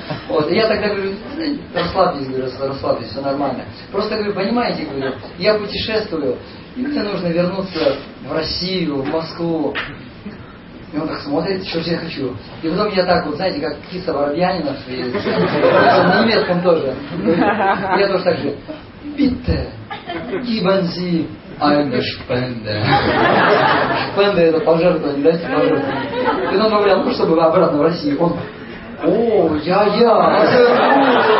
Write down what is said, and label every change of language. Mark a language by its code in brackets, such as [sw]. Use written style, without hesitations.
[ru] Вот, и я тогда говорю, расслабьтесь, все нормально. Просто говорю, понимаете, говорю, я путешествую, и мне нужно вернуться в Россию, в Москву. И он так смотрит, что же я хочу. И потом я так вот, знаете, как киса воробьянинов, и на немецком тоже. Я тоже так же. [de] Bitte, geben Sie eine Spende. [ru] Spende это пожертвование, дайте пожертвование. И потом говорил, ну, чтобы обратно в Россию. Он, о, я.